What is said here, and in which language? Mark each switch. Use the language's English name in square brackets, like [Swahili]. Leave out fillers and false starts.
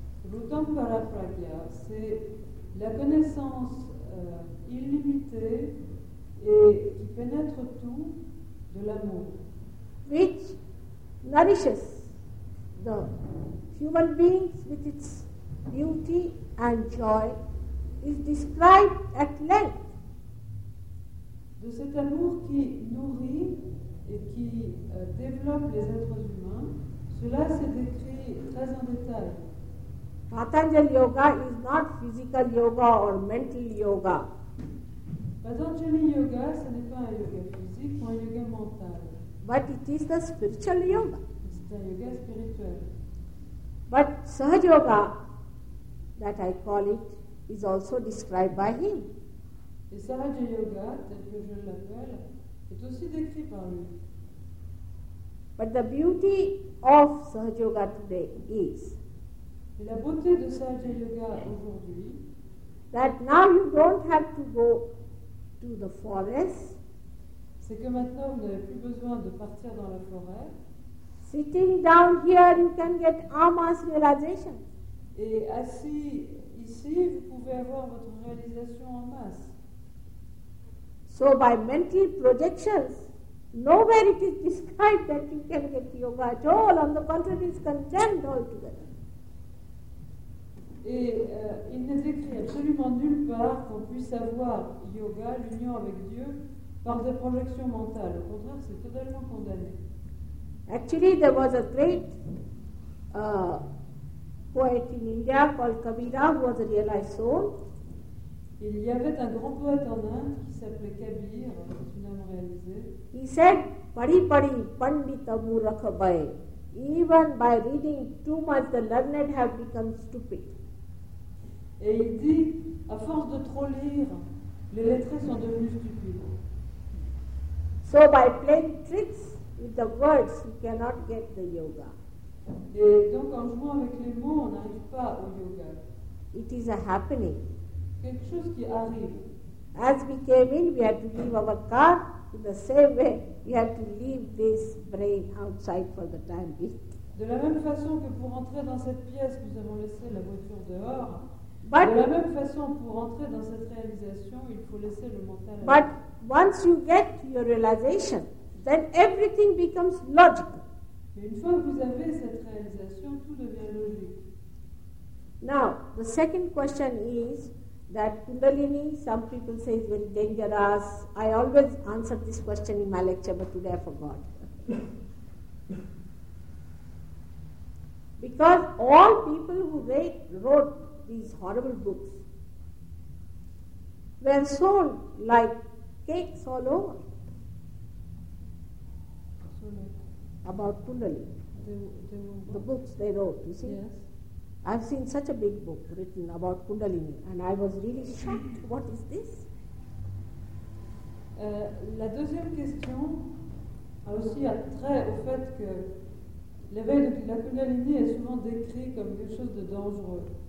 [French] L'Uttambara Pragya, c'est la connaissance illimitée et qui pénètre tout de l'amour. [English] Which nourishes the human beings with its beauty and joy is described at length. [French] De cet amour qui nourrit et qui développe les êtres humains, cela s'est décrit très en détail. [English] Patanjali Yoga is not physical yoga or mental yoga. [French] Patanjali Yoga, ce n'est pas un yoga physique ou un yoga mental. [English] But it is the spiritual yoga. [French] Yoga spiritual. [English] But Sahaja Yoga, that I call it, is also described by him. [French] Et Sahaja Yoga, tel que je l'appelle, est aussi décrit par lui. [English] But the beauty of Sahaja Yoga today is [French] la beauté de Sahaja Yoga aujourd'hui, [English] that now you don't have to go to the forest. [French] C'est que maintenant vous n'avez plus besoin de partir dans la forêt. [English] Sitting down here, you can get Amma's realization. [French] Et assis ici, vous pouvez avoir votre réalisation en masse. [English] So by mental projections, nowhere it is described that you can get yoga at all. On the contrary, it is condemned altogether. [French] Et il n'est écrit absolument nulle part qu'on puisse avoir yoga, l'union avec Dieu, par des projections mentales. Au contraire, c'est totalement condamné. [English] Actually, there was a great poet in India called Kabira, who was a realized soul. [French] Il y avait un grand poète en Inde qui s'appelait Kabir, une âme réalisée. [English] He said, [Hindi] "Padi padi, pandita murakh bhaye. [English] Even by reading too much, the learned have become stupid." [French] Et il dit, à force de trop lire, les lettrés sont devenus stupides. [English] So by playing tricks with the words, you cannot get the yoga. [French] Et donc en jouant avec les mots, on n'arrive pas au yoga. [English] It is a happening. [French] Quelque chose qui arrive. [English] As we came in, we had to leave our car. In the same way, we had to leave this brain outside for the time being. [French] De la même façon que pour entrer dans cette pièce, nous avons laissé la voiture dehors. But de la même façon pour entrer dans cette réalisation, il faut laisser le mental. [English] But once you get your realization, then everything becomes logical. [French] Une fois que vous avez cette réalisation, tout devient logique. [English] Now, the second question is that Kundalini, some people say, is very dangerous. I always answer this question in my lecture, but today I forgot. Because all people who wrote these horrible books were sold like cakes all over. About Kundalini, the books they wrote, you see? Yes. I've seen such a big book written about Kundalini, and I was really shocked. What is this? [French] La deuxième question a aussi un trait au fait que l'éveil de la Kundalini est souvent décrit comme quelque chose de dangereux.